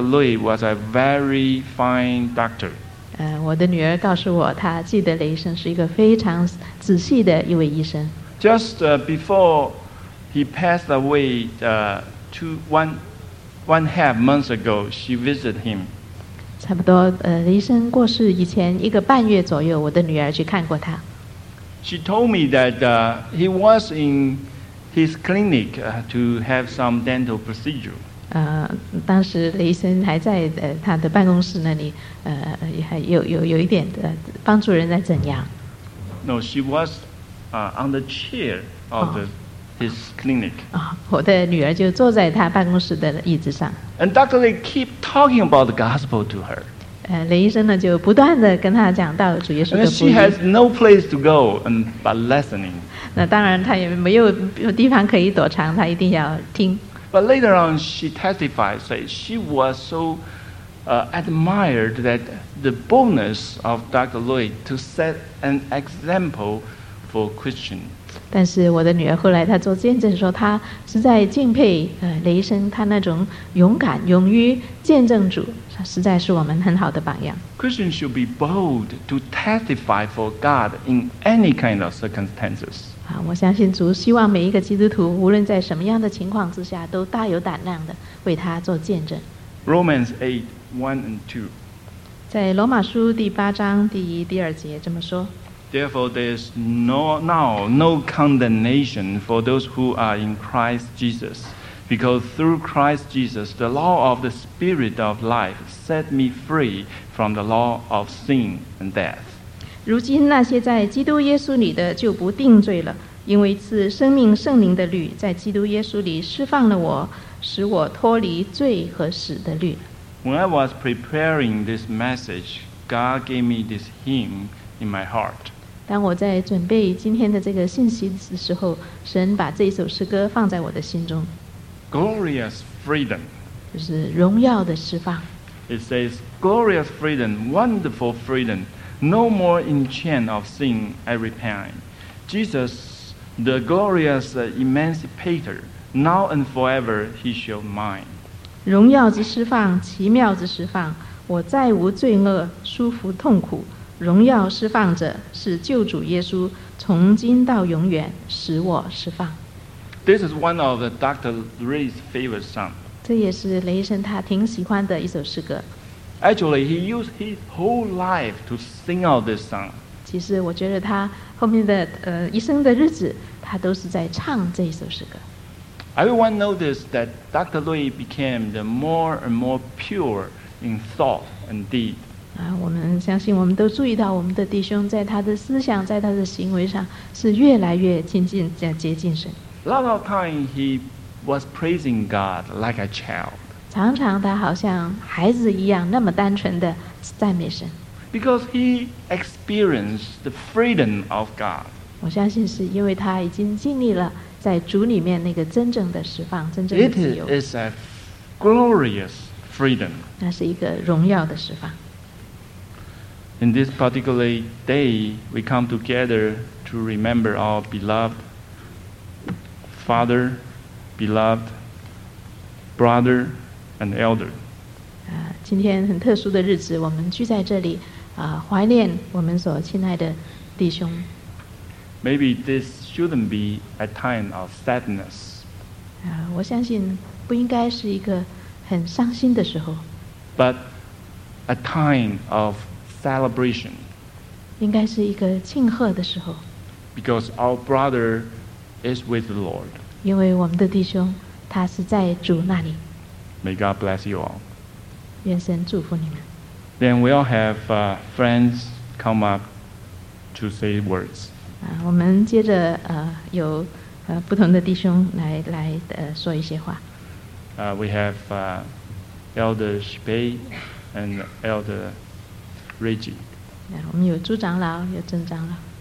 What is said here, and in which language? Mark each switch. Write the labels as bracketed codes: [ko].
[en] Lui was a very fine doctor. [zh] 我的女儿告诉我，她记得雷医生是一个非常仔细的一位医生。 [en] Just before he passed away, one half month ago, she visited him. [zh] 差不多雷医生过世以前一个半月左右，我的女儿去看过他。 [en] She told me that he was in his clinic to have some dental procedure. [zh] 当时雷医生还在他的办公室那里，还有一点的帮助人在怎样。 [en] No, she was on the chair of his clinic. [zh] 我的女儿就坐在他办公室的椅子上。 [en] And Dr. Lee keep talking about the gospel to her. [zh] 雷医生呢就不断的跟他讲到主耶稣的福音。 [en] And she has no place to go and but listening. [zh] 那当然他也没有地方可以躲藏，他一定要听。 [en] But later on, she testified, say she was so admired that the boldness of Dr. Lui to set an example for Christian. [zh] 但是我的女儿后来她做见证说，她实在敬佩雷医生他那种勇敢勇于见证主，实在是我们很好的榜样。 [en] Christian should be bold to testify for God in any kind of circumstances. [zh] 我相信主希望每一个基督徒无论在什么样的情况之下都大有胆量的为他做见证。 [en] Romans 8, 1 and 2 [zh] 在罗马书第八章第一第二节这么说。 [en] Therefore there is now no condemnation for those who are in Christ Jesus, because through Christ Jesus the law of the spirit of life set me free from the law of sin and death. [zh] 如今那些在基督耶稣里的就不定罪了，因为赐生命圣灵的律在基督耶稣里释放了我，使我脱离罪和死的律。 [en] When I was preparing this message, God gave me this hymn in my heart. [zh] 当我在准备今天的这个信息的时候，神把这首诗歌放在我的心中。 [en] Glorious freedom. [zh] 就是荣耀的释放。 [en] It says, glorious freedom, wonderful freedom. No more in chain of sin I repine. Jesus, the glorious emancipator, now and forever he shall mine. [zh] 荣耀之释放，奇妙之释放，我再无罪恶，舒服痛苦。荣耀释放者是救主耶稣，从今到永远使我释放。 [en] This is one of Dr. Ray's favorite songs. [zh] 这也是雷医生他挺喜欢的一首诗歌。 [en] Actually, he used his whole life to sing out this song. [zh] 其实我觉得他后面的一生的日子，他都是在唱这一首诗歌。 [en] Everyone noticed that Dr. Lui became the more and more pure in thought and deed. [zh] 我们相信我们都注意到我们的弟兄在他的思想在他的行为上是越来越亲近接近神。 [en] A lot of time he was praising God like a child. [zh] 常常他好像孩子一样那么单纯的赞美神。 [en] Because he experienced the freedom of God. [zh] 我相信是因为他已经经历了在主里面那个真正的释放真正的自由。 [en] It is a glorious freedom. [zh] 那是一个荣耀的释放。 [en] In this particular day, we come together to remember our beloved father, beloved brother, and elder. [zh] 今天很特殊的日子，我们聚在这里，怀念我们所亲爱的弟兄。 [en] Maybe this shouldn't be a time of sadness. [zh] 我相信不应该是一个很伤心的时候。 [en] But a time of celebration. [zh] 应该是一个庆贺的时候。 [en] Because our brother is with the Lord. [zh] 因为我们的弟兄他是在主那里。 [en] May God bless you all. [zh] 愿神祝福你们。 [en] Then we'll have friends come up to say words. [zh] 我们接着有不同的弟兄来说一些话。 [en] We have Elder Shibei and Elder Reggie. [zh] 我们有朱长老，有郑长老。